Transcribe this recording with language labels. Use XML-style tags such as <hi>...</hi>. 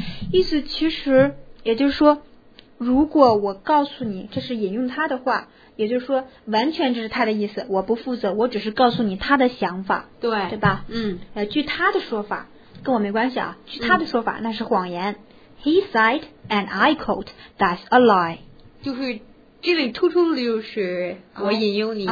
<zh>意思其实也就是说，如果我告诉你，这是引用他的话，也就是说完全这是他的意思，我不负责，我只是告诉你他的想法，对，对吧？嗯，据他的说法，跟我没关系啊，据他的说法，那是谎言。</zh> <en>He said and I quote, that's a lie.</en> <zh>就是这里突出的就是我引用你的、</zh>